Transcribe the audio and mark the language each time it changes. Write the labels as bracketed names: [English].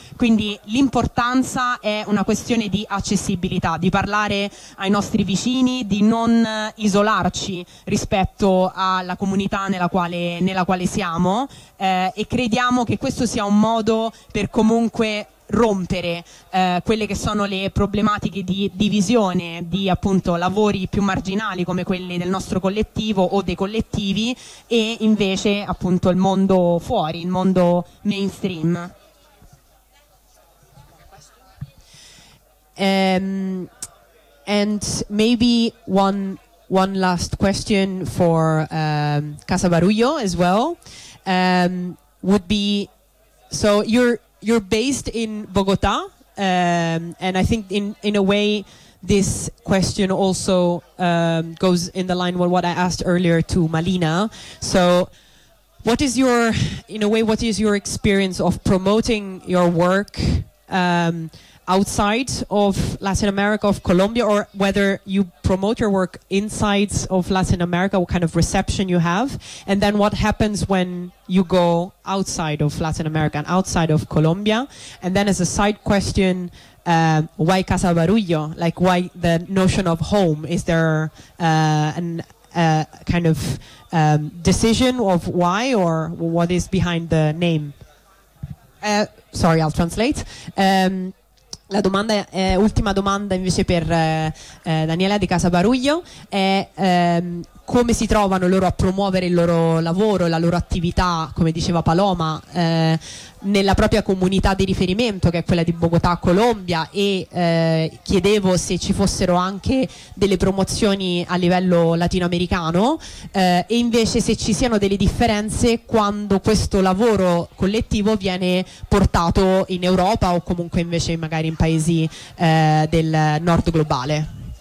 [Italian] Quindi l'importanza è una questione di accessibilità, di parlare ai nostri vicini, di non isolarci rispetto alla comunità nella quale siamo, e crediamo che questo sia un modo per comunque rompere quelle che sono le problematiche di divisione di appunto lavori più marginali come quelli del nostro collettivo o dei collettivi, e invece appunto il mondo fuori, il mondo mainstream. [English] And maybe one last question for Casa Barullo as well, would be, so you're based in Bogota, and I think in a way this question also goes in the line with what I asked earlier to Malina. So what is your experience of promoting your work outside of Latin America, of Colombia, or whether you promote your work inside of Latin America, what kind of reception you have, and then what happens when you go outside of Latin America and outside of Colombia? And then as a side question, why Casa Barullo? Like, why the notion of home? Is there a kind of decision of why, or what is behind the name? Sorry, I'll translate. [Italian] La domanda, ultima domanda invece per Daniela di Casa Barullo, è come si trovano loro a promuovere il loro lavoro, la loro attività, come diceva Paloma, nella propria comunità di riferimento, che è quella di Bogotà, Colombia, e chiedevo se ci fossero anche delle promozioni a livello latinoamericano, e invece se ci siano delle differenze quando questo lavoro collettivo viene portato in Europa o comunque invece magari in paesi del nord globale.